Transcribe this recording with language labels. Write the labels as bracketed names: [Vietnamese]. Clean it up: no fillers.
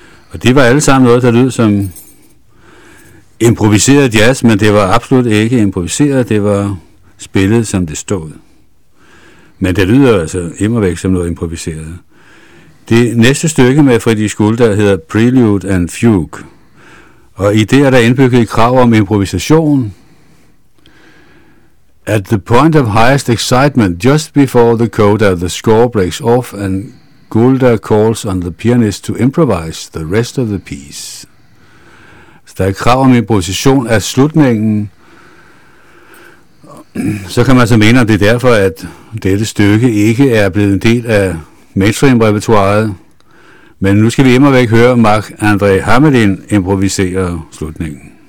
[Danish] Og de var alle sammen noget, der lyder som improviseret jazz, men det var absolut ikke improviseret, det var spillet, som det stod. Men det lyder altså immervæk som noget improviseret. Det næste stykke med Friedrich Gulda hedder Prelude and Fugue. Og i det er der indbygget et krav om improvisation. [English] At the point of highest excitement, just before the coda, the score breaks off and Gulda calls on the pianist to improvise the rest of the piece. [Danish] Så der er et krav om improvisation af slutningen. så kan man så mene, at det er derfor, at dette stykke ikke er blevet en del af mainstream-repertoiret. Men nu skal vi hjem og væk høre Marc-André Hamelin improvisere slutningen.